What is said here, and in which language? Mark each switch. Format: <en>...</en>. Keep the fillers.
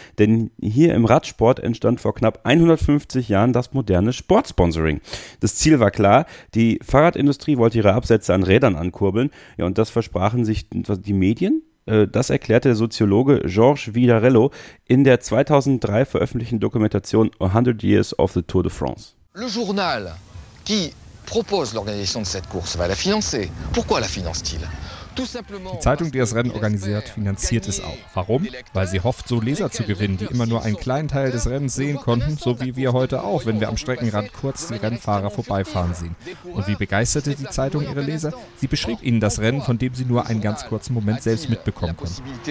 <de>Denn hier im Radsport entstand vor knapp 150 Jahren das moderne Sportsponsoring. Das Ziel war klar, die Fahrradindustrie wollte ihre Absätze an Rädern ankurbeln. Ja, und das versprachen sich die Medien, das erklärte der Soziologe Georges Vidarello in der 2003 veröffentlichten Dokumentation 100 Years of the Tour de France.</de> <fr>Le journal qui propose l'organisation de cette course va la financer. Pourquoi la finance-t-il</fr> <de>die Zeitung, die das Rennen organisiert, finanziert es auch. Warum? Weil sie hofft, so Leser zu gewinnen, die immer nur einen kleinen Teil des Rennens sehen konnten, so wie wir heute auch, wenn wir am Streckenrand kurz die Rennfahrer vorbeifahren sehen. Und wie begeisterte die Zeitung ihre Leser? Sie beschrieb ihnen das Rennen, von dem sie nur einen ganz kurzen Moment selbst mitbekommen konnten.</de>